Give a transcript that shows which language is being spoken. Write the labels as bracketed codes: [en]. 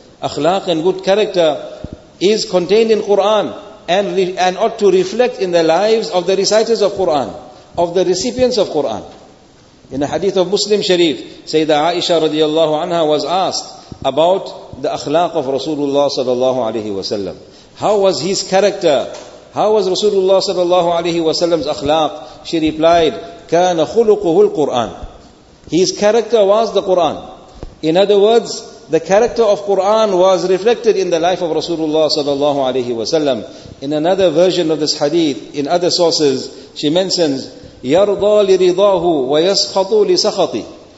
[en] Akhlaq and good character is contained in Quran and ought to reflect in the lives of the reciters of Quran, of the recipients of Quran. In a hadith of Muslim Sharif, Sayyidah Aisha radiallahu anha was asked about the akhlaq of Rasulullah sallallahu alayhi wa sallam. How was his character? How was Rasulullah sallallahu alayhi wa sallam's akhlaq? She replied, [ar] كان خلقه القرآن. [en] His character was the Quran. In other words, the character of Quran was reflected in the life of Rasulullah sallallahu alayhi wa sallam. In another version of this hadith, in other sources, she mentions, [ar] يَرْضَى لِرِضَاهُ وَيَسْخَطُ لِسَخَطِ.